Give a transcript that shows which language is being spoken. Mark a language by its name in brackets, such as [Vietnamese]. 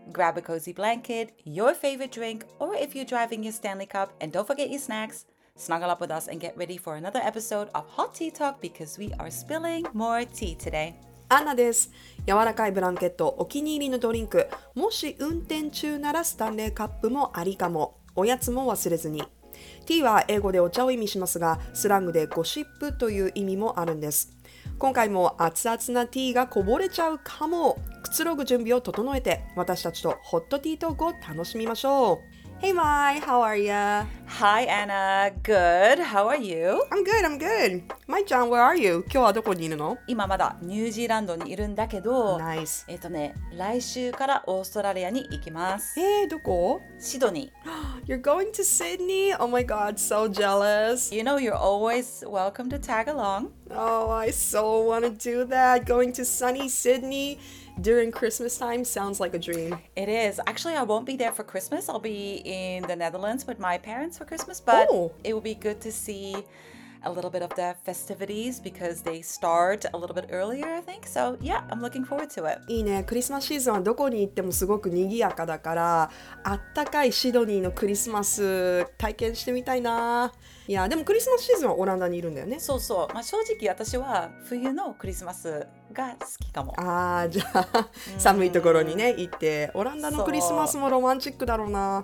[English] Grab a cozy blanket, your favorite drink, or if you're driving your Stanley Cup, and don't forget your snacks, snuggle up with us and get ready for another episode of Hot Tea Talk because we are spilling more tea today. [Japanese] アンナです。柔らかいブランケット、お気に入りのドリンク、もし運転中ならスタンレーカップもありかも。おやつも忘れずに。ティーは英語でお茶を意味しますが、スラングでゴシップという意味もあるんです。今回も熱々なティーがこぼれちゃうかも。くつろぐ準備を整えて、私たちとホットティートークを楽しみましょう。 [English] Hey Mai, how are you? Hi Anna, good. How are you? I'm good, I'm good. Mai-chan, where are you? [Japanese] 今日はどこにいるの？今まだニュージーランドにいるんだけど、 [English] Nice. [Japanese] 来週からオーストラリアに行きます。どこ？シドニ [English] ー。 You're going to Sydney? Oh my god, so jealous. You know you're always welcome to tag along. Oh, I so want to do that. Going to sunny Sydney during Christmas time sounds like a dream. It is. Actually, I won't be there for Christmas. I'll be in the Netherlands with my parents for Christmas, but it will be good to see a little bit of the festivities because they start a little bit earlier, I think. So, yeah, I'm looking forward to it. [Japanese] いいね。クリスマスシーズンはどこに行ってもすごく賑やかだから、あったかいシドニーのクリスマス体験してみたいな。いや、でもクリスマスシーズンはオランダにいるんだよね。そうそう。まあ、正直私は冬のクリスマスが好きかも。ああ、じゃあ寒いところにね、行って。オランダのクリスマスもロマンチックだろうな。